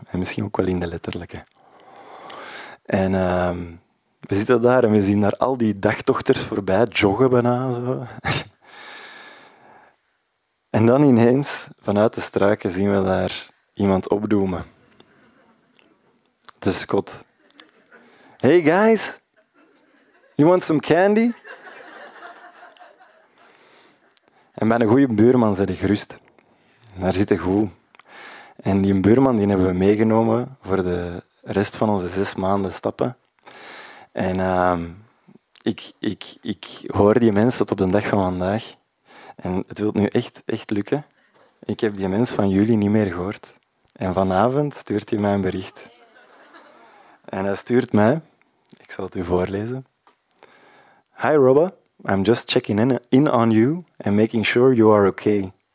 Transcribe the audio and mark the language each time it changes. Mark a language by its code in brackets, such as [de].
[nl] En misschien ook wel in de letterlijke. En we zitten daar en we zien daar al die dagtochters voorbij, joggen bijna. Zo. En dan ineens, vanuit de struiken, zien we daar iemand opdoemen. De Scott. [en] Hey guys, you want some candy? [nl] En bij een goede buurman zijn ze gerust. Daar zit hij goed. En die buurman die hebben we meegenomen voor de rest van onze 6 maanden stappen. En ik hoor die mens tot op de dag van vandaag. En het wil nu echt lukken. Ik heb die mens van jullie niet meer gehoord. En vanavond stuurt hij mij een bericht. En hij stuurt mij, ik zal het u voorlezen. [en] Hi Robba, I'm just checking in on you and making sure you are okay.